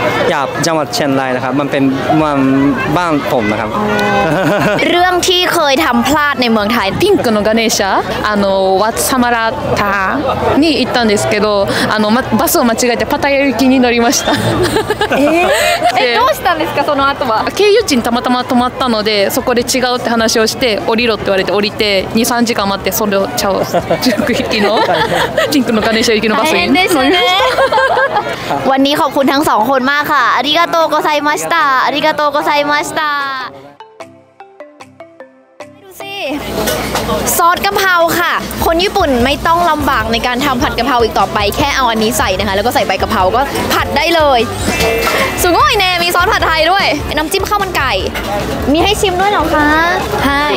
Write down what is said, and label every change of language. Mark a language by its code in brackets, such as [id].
[th] อยากจังหวัดเชียงรายนะครับมันเป็นมันบ้านผมนะครับ เรื่องที่เคยทำพลาดในเมืองไทย [ja] ピンクのガネーシャวัดสมาราทาに行ったんですけどバスを間違えてパタヤ行きに乗りましたどうしたんですかその後は経由地にたまたま泊まったのでそこで違うって話をして降りろって言われて降りて 2,3 時間待ってそれをチャオ中国行きのピンクのガネーシャ行きのバスに乗りました大変ですね [th] วันนี้ขอบคุณทั้งสองคนมากค่ะ [ja] อาริกาโตโกไซมาสตาอาริกาโตโกไซมาสตา [th] ดูสิซอสกะเพราค่ะคนญี่ปุ่นไม่ต้องลำบากในการทำผัดกะเพราอีกต่อไปแค่เอาอันนี้ใส่นะคะแล้วก็ใส่ใบกะเพราก็ผัดได้เลยสุโง่ยแน่มีซอสผัดไทยด้วยน้ำจิ้มข้าวมันไก่มีให้ชิมด้วยหรอคะใช